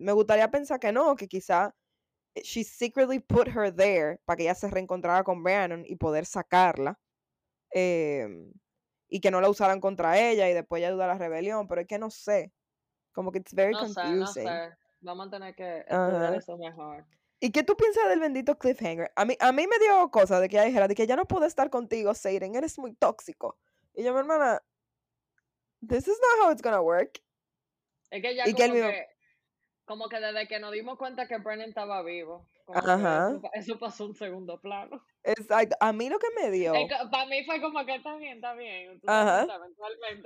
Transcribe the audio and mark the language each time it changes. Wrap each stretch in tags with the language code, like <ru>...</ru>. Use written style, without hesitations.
<es>Me gustaría pensar que no, que quizá</es> <en>she secretly put her there</en> <es>para que ella se reencontrara con Brandon y poder sacarla, y que no la usaran contra ella y después ella duda la rebelión, pero es que no sé. Como que</es> <en>it's very confusing.</en> <es>No sé. Vamos a tener que estudiar eso mejor. ¿Y qué tú piensas del bendito cliffhanger? A mí me dio cosa de que ella dijera de que ya no puedo estar contigo, Satan, eres muy tóxico. Y yo, mi hermana,</es> <en>this is not how it's gonna work.</en> <es>Es que ya como que desde que nos dimos cuenta que Brennan estaba vivo, eso pasó un segundo plano. Exacto, a mí lo que me dio... Para mí fue como que está bien, entonces, eventualmente.</es>